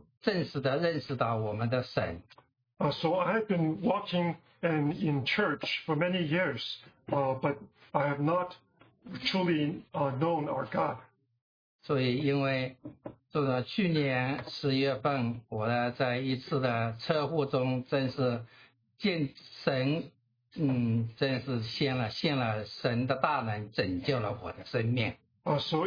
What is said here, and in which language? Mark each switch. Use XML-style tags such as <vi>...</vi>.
<zh>就是我在教堂里走了好长，上教堂好几年时间都没有正式的认识到我们的神。</zh> <en>So I've been walking and in church for many years, but I have not truly known our God.</en> <zh>所以因为 去年10月份，我呢在一次的车祸中，真是见神，真是现了神的大能，拯救了我的生命。So</zh>